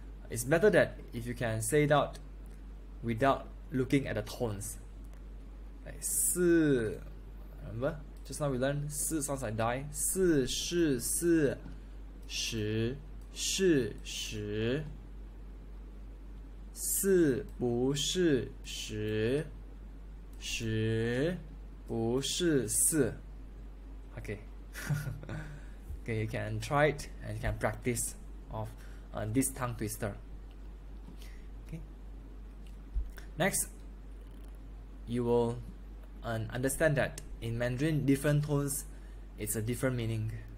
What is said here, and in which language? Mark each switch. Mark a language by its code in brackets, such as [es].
[en] It's better that if you can say it out without looking at the tones. Like 四, remember? Just now we learned 四 sounds like die. [zh] 四是四，十是十，四不是十，十不是四。 [en] Okay. Okay, you can try it and you can practice of this tongue twister. Next, you will understand that in Mandarin, different tones, it's a different meaning.